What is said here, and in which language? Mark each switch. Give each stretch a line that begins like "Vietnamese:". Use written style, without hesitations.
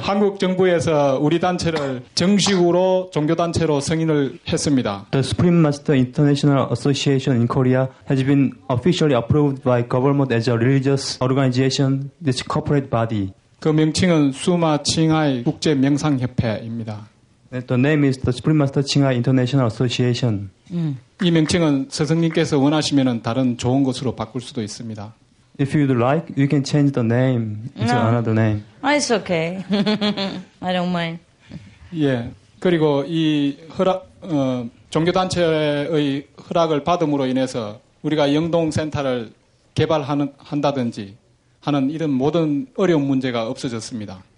Korean: 한국 정부에서 우리 단체를 정식으로 종교 단체로 승인을 했습니다.
English: The Supreme Master International Association in Korea has been officially approved by government as a religious organization, this corporate body.
Korean: 그 명칭은 수마칭하이 국제명상협회입니다.
English: The name is the Supreme Master Chinghai International Association.
Korean: 이 명칭은 스승님께서 원하시면은 다른 좋은 것으로 바꿀 수도 있습니다.
English: If you'd like, you can change the name into another name. It's okay. I don't mind.
Korean: 예. 그리고 이 허락, 종교단체의 허락을 받음으로 인해서 우리가 영동센터를 개발하는, 한다든지 하는 이런 모든 어려운 문제가 없어졌습니다.